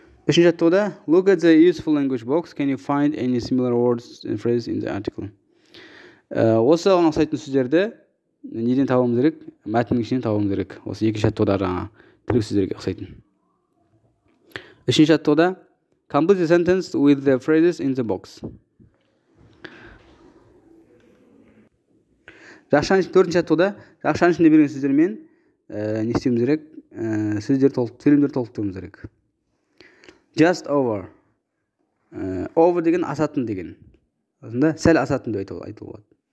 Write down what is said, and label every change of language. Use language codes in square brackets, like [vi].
[kk] Үшінші тұрда, [en] look at the useful language box. Can you find any similar words and phrases in the article? [kk] Осы ғана сайтын сөздерді неден табамыз керек? Мәтіннің ішінен табамыз керек. Осы екінші тұрда тірек сөздерге ұқсайтын. Үшінші тұрда, [en] complete the sentence with the phrases in the box. [kk] Төртінші тұрда, жақшаның ішінде берген сөздермен не істеуіміз керек? Сөздерді толықтыруымыз керек. [en] Just over. [kk] Over деген асатын деген. Осында сәл асатын деп айтуға болады.